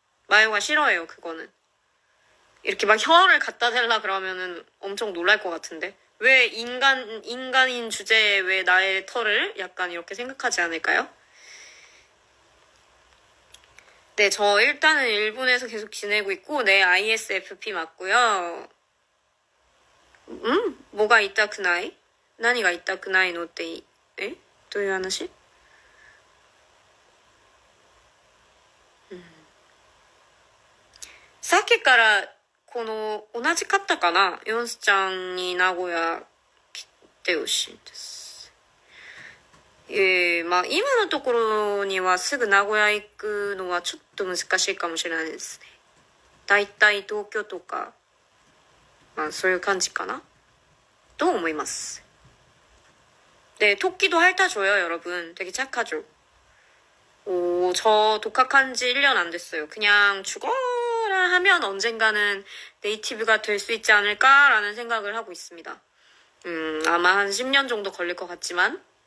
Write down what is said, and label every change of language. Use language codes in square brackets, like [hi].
[ko] 마요가 싫어해요, 그거는. 이렇게 막 혀를 갖다 댈라 그러면은 엄청 놀랄 것 같은데. 왜 인간인 주제에 왜 나의 털을 약간 이렇게 생각하지 않을까요? 네, 저 일단은 일본에서 계속 지내고 있고, 네, ISFP 맞고요. 뭐가 있다, 그나이? [ja] 何が言ったくないのって、え？どういう話？さっきからこの同じ方かな？ヨンスちゃんに名古屋来てほしいんです。ええ、まあ今のところにはすぐ名古屋行くのはちょっと難しいかもしれないですね。だいたい東京とか、まあそういう感じかな？と思います。 [ko] 네, 토끼도 핥아줘요, 여러분. 되게 착하죠? 오, 저 독학한 지 1년 안 됐어요. 그냥 죽어라 하면 언젠가는 네이티브가 될수 있지 않을까라는 생각을 하고 있습니다. 아마 한 10년 정도 걸릴 것 같지만.